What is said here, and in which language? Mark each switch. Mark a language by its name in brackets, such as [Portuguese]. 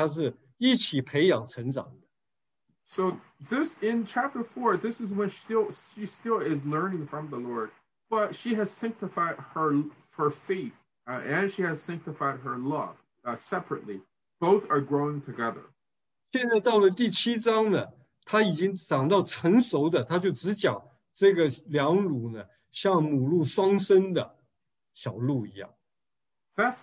[Chinese] 就是他的信心是分别为圣的，他的爱心也是分别为圣的，所以他是一起培养成长的。 [English] So this in chapter 4, this is when she still is learning from the Lord, but she has sanctified her faith and she has sanctified her love separately. Both are growing together. [Chinese] 现在到了第七章呢，他已经长到成熟的，他就只讲这个两乳呢。像母鹿双生的小鹿一样。 [English] That's